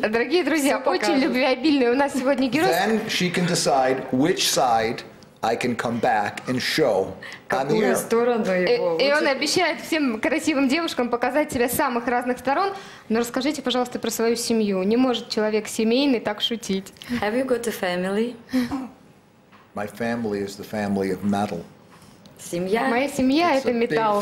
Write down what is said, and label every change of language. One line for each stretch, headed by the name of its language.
Russian: Дорогие друзья, очень любвеобильные у нас сегодня герои.
English: Then she can decide which side I can come back and show on the air.
Russian: И он обещает всем красивым девушкам показать себя с самых разных сторон. Но расскажите, пожалуйста, про свою семью. Не может человек семейный так шутить.
English: Have you got a family? My family is the family of metal.
Russian: Семья? Моя семья – это металл.